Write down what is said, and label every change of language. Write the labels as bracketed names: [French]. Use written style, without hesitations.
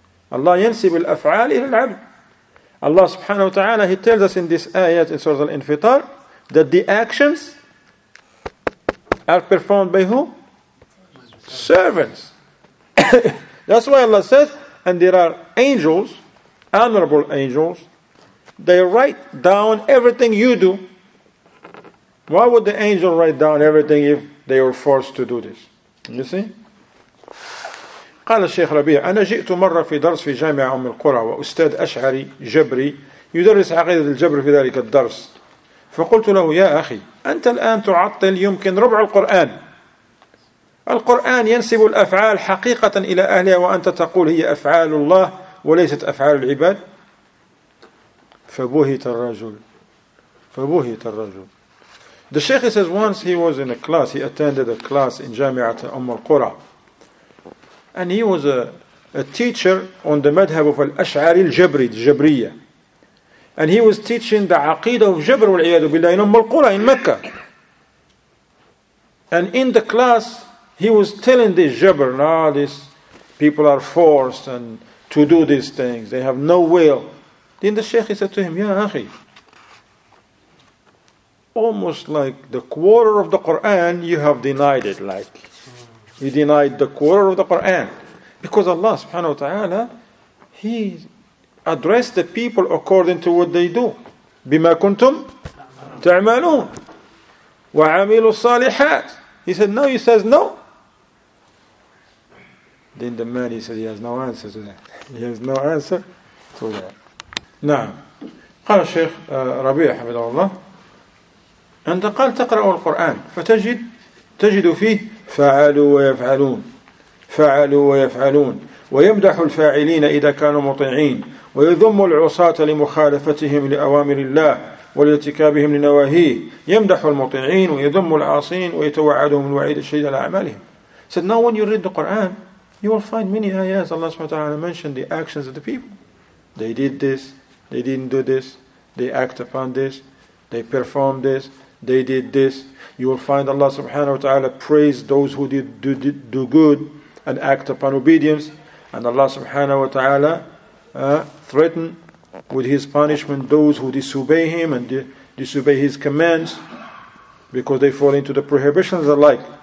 [Arabic] Allah ينسب الأفعال إلى العبد. [English] Allah subhanahu wa ta'ala, he tells us in this ayat in Surah Al-Infitar that the actions are performed by who? Servants. That's why Allah says, and there are angels, honorable angels, they write down everything you do. Why would the angel write down everything if they were forced to do this? You see? [Arabic] قال الشيخ ربيع أنا جئت مرة في درس في جامعة أم القرى وأستاذ أشعري جبري يدرس عقيدة الجبر في ذلك الدرس فقلت له يا أخي أنت الآن تعطل يمكن ربع القرآن. القرآن ينسب الأفعال حقيقة إلى أهلها وأنت تقول هي أفعال الله وليست أفعال العباد. فبهت الرجل فبهت الرجل. [English] The Sheikh says once he was in a class, he attended a class in جامعة أم القرى, and he was a teacher on the madhab of al-Ash'ari al-Jabri, al-Jabriya, and he was teaching the aqidah of Jabr wal-Iyadu Billah in Umm al-Qura in Mecca. And in the class he was telling this Jabr, now these people are forced and to do these things, they have no will. Then the Sheikh said to him, ya akhi, almost like the quarter of the Quran you have denied it, like you denied the quarter of the Quran. Because Allah subhanahu wa ta'ala, He addressed the people according to what they do. [Arabic] بِمَا كُنْتُمْ تَعْمَلُونَ وَعَمِلُوا الصَّالِحَاتِ. [English] He said, no, he says no. Then the man, he says, he has no answer to that. He has no answer to that. نعم. [Arabic] قال الشيخ ربيع حفظه الله, أنت قال تقرأ القرآن فتجد فيه فعلوا ويفعلون. فعلوا ويفعلون, ويمدح الفاعلين إذا كانوا مطيعين, ويذم العصاة لمخالفتهم لأوامر الله ولارتكابهم لنواهيه, يمدح المطيعين ويذم العاصين ويتوعدهم الوعيد الشديد على أعمالهم. [English] Said, now when you read the Quran, you will find many ayahs Allah subhanahu wa ta'ala mentioned the actions of the people. They did this, they didn't do this, they act upon this, they performed this, they did this. You will find Allah subhanahu wa ta'ala praise those who did do good and act upon obedience, and Allah subhanahu wa ta'ala threaten with His punishment those who disobey Him and disobey His commands because they fall into the prohibitions alike.